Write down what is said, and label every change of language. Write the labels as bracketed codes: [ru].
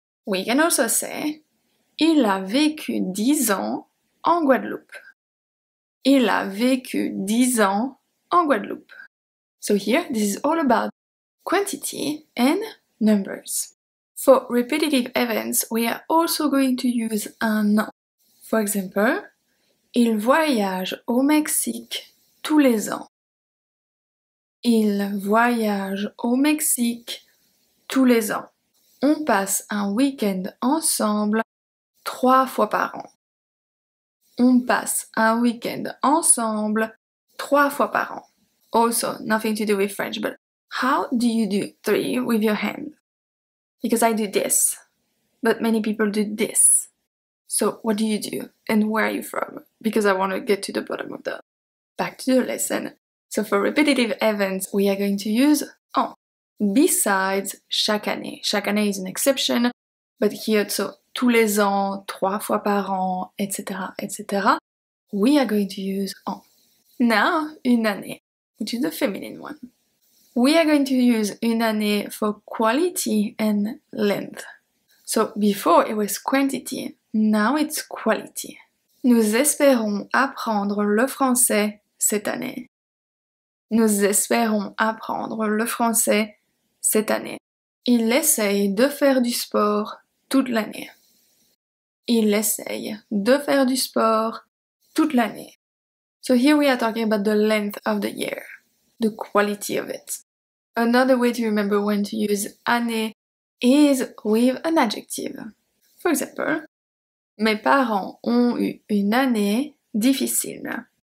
[en] We can also say [fr] il a vécu 10 ans en Guadeloupe. Il a vécu 10 ans en Guadeloupe. [en] So here, this is all about quantity and numbers. For repetitive events, we are also going to use un an. For example, [fr] il voyage au Mexique tous les ans. Il voyage au Mexique tous les ans. On passe un week-end ensemble trois fois par an. On passe un week-end ensemble trois fois par an. [en] Also, nothing to do with French, but how do you do three with your hand? Because I do this, but many people do this. So what do you do and where are you from? Because I want to get to the bottom of that. Back to the lesson. So for repetitive events, we are going to use en. Besides chaque année. Chaque année is an exception, but here so [fr] tous les ans, trois fois par an, [en] etc., etc. We are going to use en. Now, une année, which is the feminine one. We are going to use une année for quality and length. So before it was quantity, now it's quality. [fr] Nous espérons apprendre le français cette année. Nous espérons apprendre le français cette année. Il essaye de faire du sport toute l'année. Il essaye de faire du sport toute l'année. [en] So here we are talking about the length of the year, the quality of it. Another way to remember when to use année is with an adjective. For example, [fr] mes parents ont eu une année difficile.